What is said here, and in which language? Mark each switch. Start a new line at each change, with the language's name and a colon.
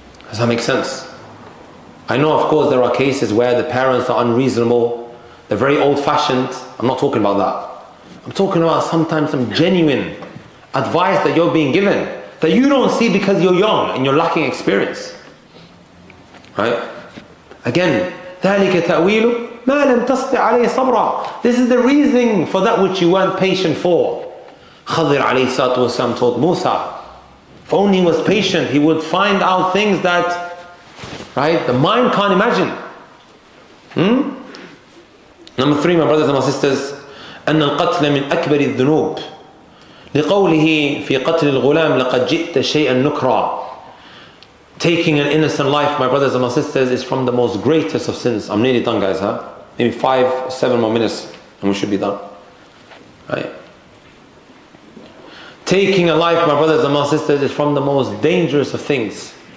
English: Does that make sense? I know, of course, there are cases where the parents are unreasonable. They're very old-fashioned. I'm not talking about that. I'm talking about sometimes some genuine advice that you're being given that you don't see because you're young and you're lacking experience. Right? Again,
Arabic: ذَلِكَ تَأْوِيلُ مَا لَمْ تَسْطِعْ عَلَيْهِ صَبْرًا.
English: This is the reasoning for that which you weren't patient for. Khadir alayhi salatu wasalam told Musa, if only he was patient, he would find out things that, right, the mind can't imagine. Number three, my brothers and my sisters,
Arabic: أن القتل من أكبر الذنوب لقوله في قتل الغلام لقد جئت شيئا نكرا.
English: Taking an innocent life, my brothers and my sisters, is from the most greatest of sins. I'm nearly done, guys, huh? Maybe 5 or 7 more minutes and we should be done. Right? Taking a life, my brothers and my sisters, is from the most dangerous of things.